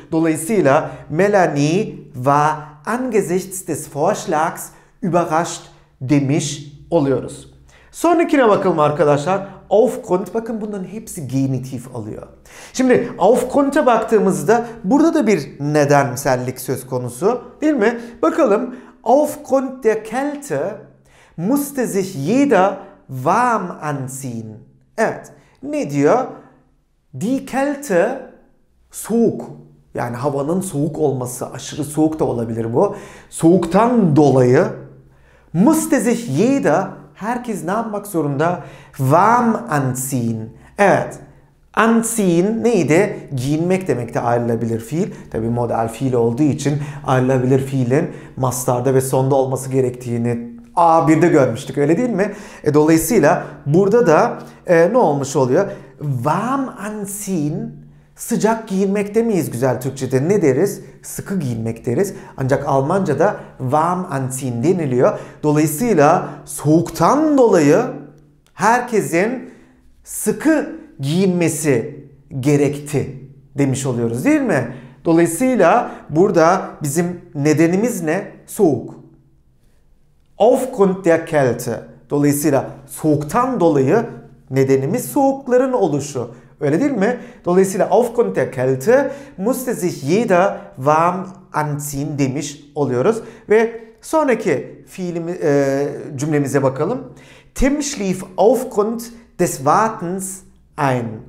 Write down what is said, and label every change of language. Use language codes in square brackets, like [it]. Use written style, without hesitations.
[tr] Dolayısıyla [de] Melanie war angesichts des Vorschlags überrascht [tr] demiş oluyoruz. Sonrakine bakalım arkadaşlar. Aufgrund, bakın bunların hepsi genitif alıyor. Şimdi aufgrund'a baktığımızda burada da bir nedensellik söz konusu değil mi? Bakalım. [de] Aufgrund der Kälte musste sich jeder warm anziehen. [tr] Evet. Ne diyor? Die Kälte, soğuk. Yani havanın soğuk olması, aşırı soğuk da olabilir bu. Soğuktan dolayı [de] musste sich jeder, [tr] herkes ne yapmak zorunda? [de] Warm anziehen. [tr] Evet. [de] Anziehen [tr] neydi? Giyinmek demek de ayrılabilir fiil. Tabi modal fiil olduğu için ayrılabilir fiilin mastarda ve sonda olması gerektiğini A1'de görmüştük öyle değil mi? Dolayısıyla burada da ne olmuş oluyor? [de] Warm anziehen, [tr] sıcak giyinmek demeyiz güzel Türkçe'de. Ne deriz? Sıkı giyinmek deriz. Ancak Almanca'da [de] warm anziehen [tr] deniliyor. Dolayısıyla soğuktan dolayı herkesin sıkı giyinmesi gerekti demiş oluyoruz değil mi? Dolayısıyla burada bizim nedenimiz ne? Soğuk. [de] Aufgrund der Kälte. [tr] Dolayısıyla soğuktan dolayı nedenimiz soğukların oluşu. Öyle değil mi? Dolayısıyla [de] aufgrund der Kälte musste sich jeder warm anziehen [tr] demiş oluyoruz. Ve sonraki cümlemize bakalım. [de] Tim schlief aufgrund des Wartens ein.